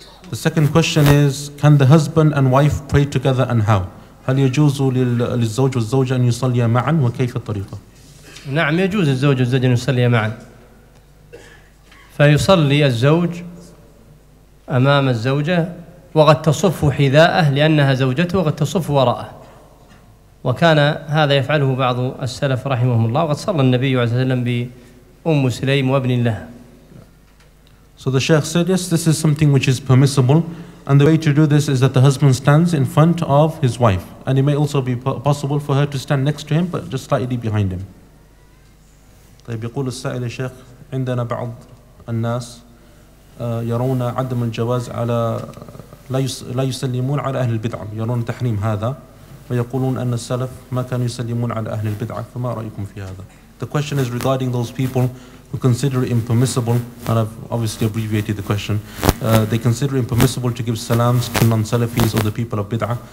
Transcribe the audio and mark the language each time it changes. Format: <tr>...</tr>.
<en>The second question is, can the husband and wife pray together and how?</en> <ar>هل يجوز للزوج والزوجة أن يصليا معا وكيف الطريقة؟ نعم يجوز الزوج والزوجة أن يصليا معا. فيصلي الزوج أمام الزوجة وقد تصف حذاءه لأنها زوجته وقد تصف وراءه. وكان هذا يفعله بعض السلف رحمهم الله وقد صلى النبي عليه وسلم بأم سليم وابن لها.</ar> <en>So the Sheikh said, yes, this is something which is permissible. And the way to do this is that the husband stands in front of his wife. And it may also be possible for her to stand next to him, but just slightly behind him.</en> <ar>طيب يقول السائل الشيخ عندنا بعض الناس يرون عدم الجواز على لا يسلمون على أهل البدعة يرون تحريم هذا ويقولون أن السلف ما كانوا يسلمون على أهل البدعة فما رأيكم في هذا؟</ar> <en>The question is regarding those people who consider it impermissible, and I've obviously abbreviated the question, they consider it impermissible to give salams to non-Salafis or the people of Bid'ah.</en>